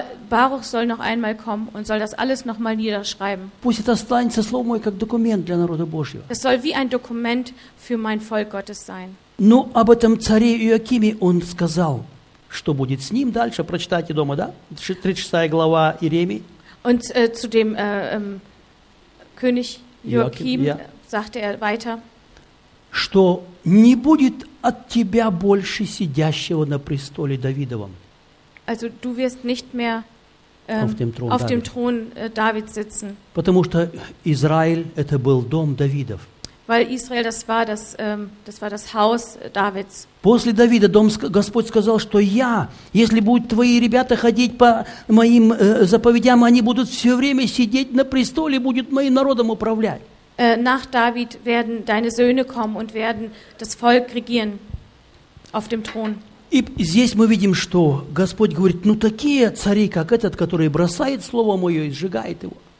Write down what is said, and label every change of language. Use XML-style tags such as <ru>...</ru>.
<de>Барух soll noch einmal kommen und soll das alles noch mal niederschreiben.</de> <ru>Пусть это останется слово мое как документ для народа Божьего.</ru> <de>Es soll wie ein Dokument für mein Volk Gottes sein.</de> <ru>Но об этом царе Иоакиме он сказал, что будет с ним дальше. Прочитайте дома, да? 36 глава Иеремии.</ru> <de>Und zu dem König Иоаким sagte er weiter,</de> <ru>что не будет от тебя больше сидящего на престоле Давидовом.</ru> <de>Also du wirst nicht mehr auf dem Thron Davids sitzen.</de> <ru>Потому что Израиль это был дом Давидов.</ru> <de>Weil Israel das war das das war das Haus Davids.</de> <ru>После Давида дом Господь сказал, что я, если будут твои ребята ходить по моим заповедям, они будут все время сидеть на престоле, будут моим народом управлять.</ru> <de>Nach David werden deine Söhne kommen und werden das Volk regieren auf dem Thron.</de> <ru>И здесь мы видим, что Господь говорит: ну такие цари, как этот, который бросает слово мое и сжигает его.</ru>